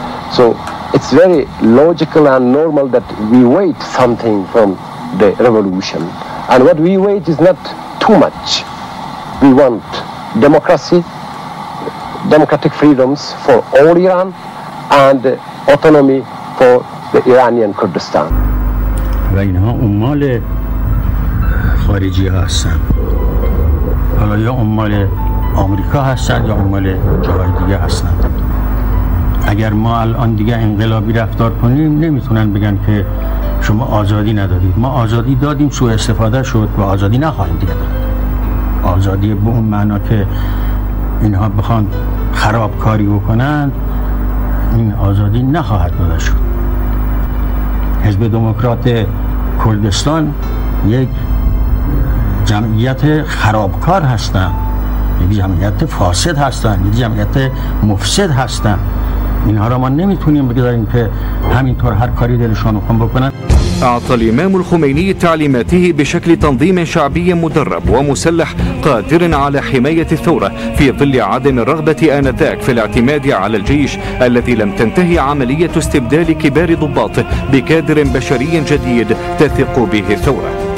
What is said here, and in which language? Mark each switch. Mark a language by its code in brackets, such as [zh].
[en] So it's very logical and normal that we wait something from the revolution. And what we wait is not too much. We want democracy, democratic freedoms for all Iran, and autonomy for the Iranian Kurdistan. [fa] و اینها عمال خارجی هستن، حالا یا عمال آمریکا هستن یا عمال جاهای دیگه هستن. اگر ما الان دیگه انقلابی رفتار کنیم نمیتونن بگن که شما آزادی ندادید. ما آزادی دادیم، سوء استفاده شد و آزادی نخواهیم دیگه داد. آزادی به اون معنا که اینها بخوان خرابکاری بکنن، این آزادی نخواهد داده شد. حزب دموکرات کردستان یک جمعیت خرابکار هستن، یک جمعیت فاسد هستن، یک جمعیت مفسد هستن. اینها را ما نمیتونیم بگذاریم که همینطور هر کاری دلشان خون بکنن. [ar] أعطى الإمام الخميني تعليماته بشكل تنظيم شعبي مدرب ومسلح قادر على حماية الثورة في ظل عدم الرغبة آنذاك في الاعتماد على الجيش الذي لم تنتهي عملية استبدال كبار ضباطه بكادر بشري جديد تثق به الثورة.